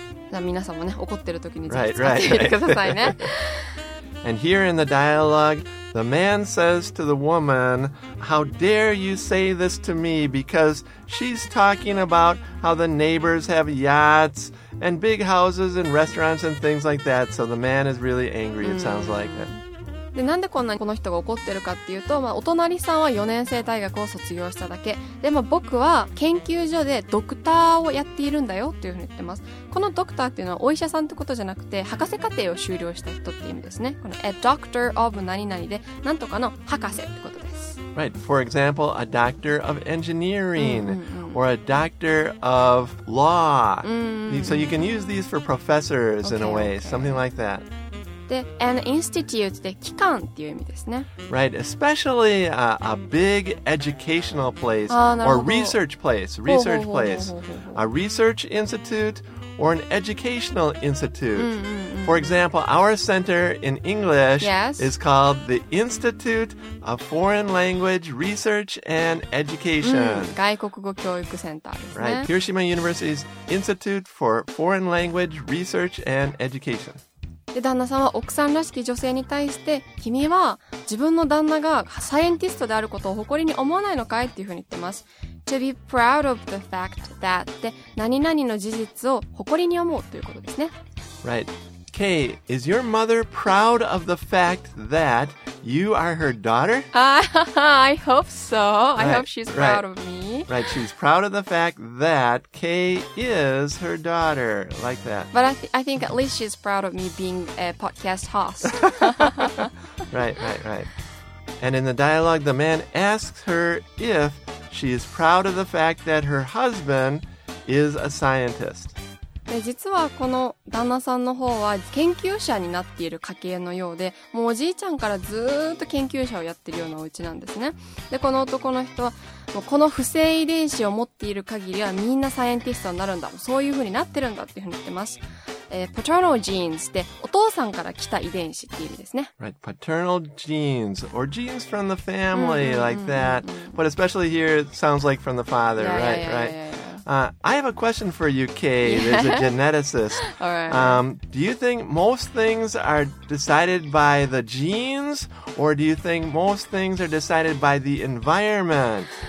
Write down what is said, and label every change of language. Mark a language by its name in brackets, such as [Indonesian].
[Japanese] じゃあ皆さんもね、怒ってる時にぜひ使ってみてくださいね。 [English] And here in the dialogue, the man says to the woman, How dare you say this to me? Because she's talking about how the neighbors have yachts and big houses and restaurants and things like that, so the man is really angry, it sounds like it. [Japanese] でなんでこんなにこの人が怒ってるかっていうと、まあ、お隣さんは4年生大学を卒業しただけ。でも僕は研究所でドクターをやっているんだよっていうふうに言ってます。このドクターっていうのはお医者さんってことじゃなくて、博士課程を修了した人っていう意味ですね。この [English] a doctor of [Japanese] 何々で、なんとかの博士ってことです。 [English] Right, for example, a doctor of engineering, or a doctor of law. So you can use these for professors in a way, something like that. [Japanese] して an institute で機関っていう意味ですね [English] Right, especially a big educational place or research place research place a research instituteOr an educational institute. For example, our center in English is called the Institute of Foreign Language Research and Education. [Japanese] 外国語教育センターですね。 [English] Right, Hiroshima University's Institute for Foreign Language Research and Education. [Japanese] で、旦那さんは奥さんらしき女性に対して、君は自分の旦那がサイエンティストであることを誇りに思わないのかいっていうふうに言ってます。 [English] To be proud of the fact that [Japanese] で何々の事実を誇りに思うということですね。 [English] Right. Kay, is your mother proud of the fact that you are her daughter? I hope so. Right. I hope she's proud of me. Right. She's proud of the fact that Kay is her daughter. Like that. But I think at least she's proud of me being a podcast host. right. And in the dialogue, the man asks her if... She is proud of the fact that her husband is a scientist. [Japanese] で、実はこの旦那さんの方は研究者になっている家系のようで、もうおじいちゃんからずーっと研究者をやってるようなお家なんですね。で、この男の人は、もうこの不正遺伝子を持っている限りはみんなサイエンティストになるんだ。そういう風になってるんだっていう風に言ってます。 [English] Paternal genes [Japanese] ってお父さんから来た遺伝子っていう意味ですね。 [English] Right, paternal genes or genes from the family like that. But especially here, it sounds like from the father, right? I have a question for you, Kay. There's a geneticist. Do you think most things are decided by the genes or do you think most things are decided by the environment?